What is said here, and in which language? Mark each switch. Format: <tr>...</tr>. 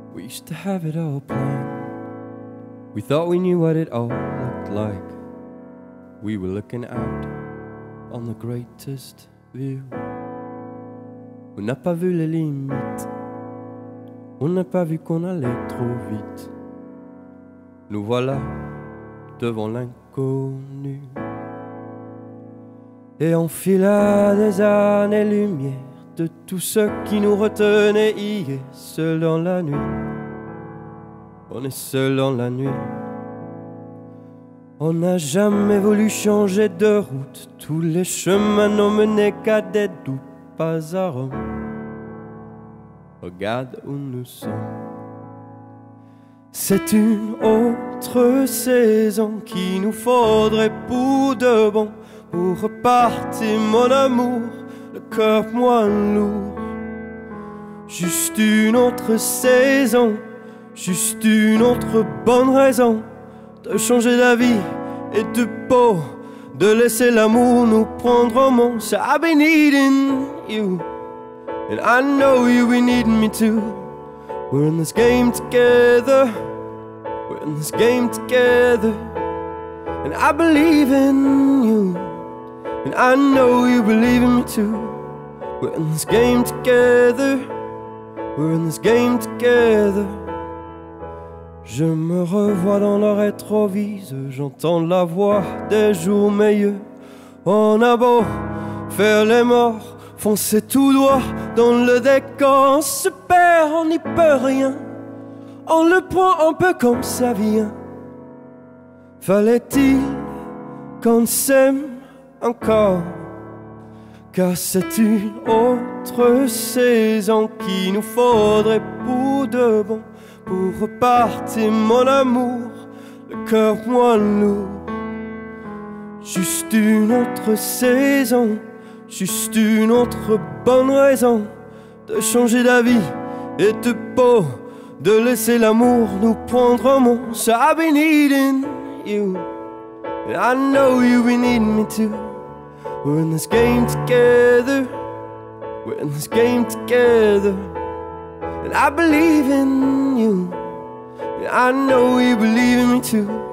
<en>used to have it all planned. We thought we knew what it all looked like. We were looking out on the greatest view.</en> <fr>On n'a pas vu les limites. On n'a pas vu qu'on allait trop vite. Nous voilà devant l'inconnu. Et on fila des années-lumière de tout ce qui nous retenait hier. Seul dans la nuit, on est seul dans la nuit. On n'a jamais voulu changer de route. Tous les chemins n'ont mené qu'à des doux pas à Rome. Regarde où nous sommes. C'est une autre saison qu'il nous faudrait pour de bon. Pour repartir mon amour, le cœur moins lourd. Juste une autre saison, juste une autre bonne raison de changer d'avis et de peau, de laisser l'amour nous prendre en main.</fr> <en>So I've been needing you, and I know you've been needing me too. We're in this game together, we're in this game together, and I believe in you. And I know you believe in me too. We're in this game together. We're in this game together.</en> <fr>Je me revois dans le rétrovise. J'entends la voix des jours meilleurs. On a beau faire les morts, foncer tout droit dans le décor. On se perd, on n'y peut rien. On le prend un peu comme ça vient. Fallait-il qu'on s'aime encore, car c'est une autre saison qu'il nous faudrait pour de bon. Pour repartir mon amour, le cœur moins lourd. Juste une autre saison, juste une autre bonne raison de changer d'avis et de peau, de laisser l'amour nous prendre en main.</fr> <en>So I've been needing you, and I know you've been needing me too. We're in this game together. We're in this game together. And I believe in you. And I know you believe in me too.</en>